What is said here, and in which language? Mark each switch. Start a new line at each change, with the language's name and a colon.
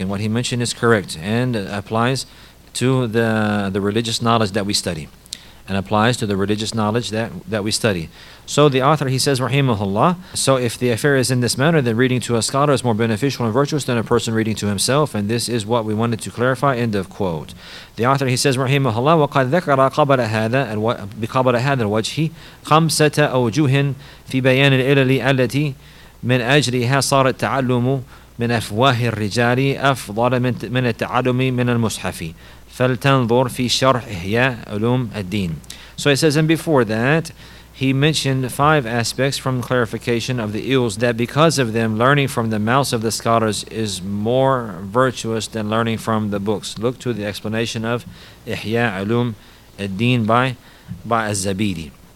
English: And what he mentioned is correct and applies to the religious knowledge that we study, and applies to the religious knowledge that we study. So the author, he says, rahimahullah, so if the affair is in this manner, then reading to a scholar is more beneficial and virtuous than a person reading to himself, and this is what we wanted to clarify, end of quote. The author, he says,
Arabic: rahimahullah, وَقَدْ ذَكَرَ قَبَلَ هَذَا بِقَبَلَ هَذَا الْوَجْهِ خَمْسَةَ أَوْجُهٍ فِي بَيَانِ الْإِلَلِ أَلَّتِي مِنْ أَجْلِهَا صَارَتْ تَعَلُّمُ مِنْ أَفْوَاهِ الرِّجَالِ أَفْضَلَ مِنْ التَّعَلُّمِ مِنَ الْمُصْحَفِ فَلْتَنْظُرْ فِي شَرْحِ إِحْيَاءِ عُلُومِ الدِّينِ.
English: So it says, and before that, he mentioned five aspects from clarification of the ills, that because of them, learning from the mouths of the scholars is more virtuous than learning from the books. Look to the explanation of إِحْيَاءِ عُلُومِ الدِّينِ by Az-Zabidi.